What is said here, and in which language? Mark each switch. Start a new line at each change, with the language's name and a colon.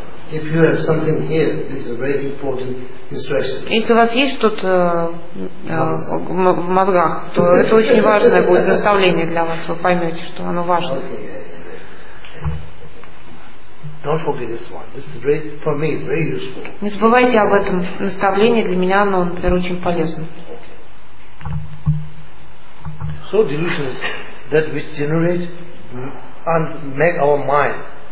English: If you have something here, this is a very important instruction.
Russian: Если у вас есть что-то в мозгах, то это очень важное будет наставление для вас. Вы поймете, что оно важно.
English: Don't forget this one. This is very, for me, very useful.
Russian: Не забывайте об этом наставлении. Для меня оно, например, очень полезно.
English: So delusion is that which generates and make our mind.